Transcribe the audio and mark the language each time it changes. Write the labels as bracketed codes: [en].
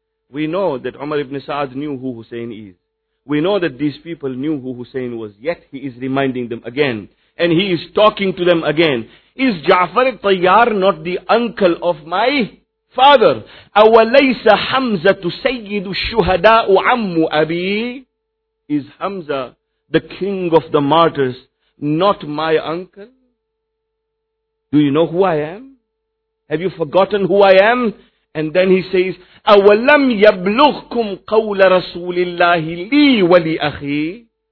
[en] We know that Umar ibn Sa'd knew who Hussein is. We know that these people knew who Hussein was. Yet he is reminding them again. And he is talking to them again. Is Ja'far al-Tayyar not the uncle of my father? [ar] أَوَلَيْسَ حَمْزَةُ سَيِّدُ الشُّهَدَاءُ عَمُّ أَبِي. [en] Is Hamza, the king of the martyrs, not my uncle? Do you know who I am? Have you forgotten who I am? And then he says, [ar] أَوَلَمْ يَبْلُغْكُمْ قَوْلَ رَسُولِ اللَّهِ لِي وَلِأَخِي.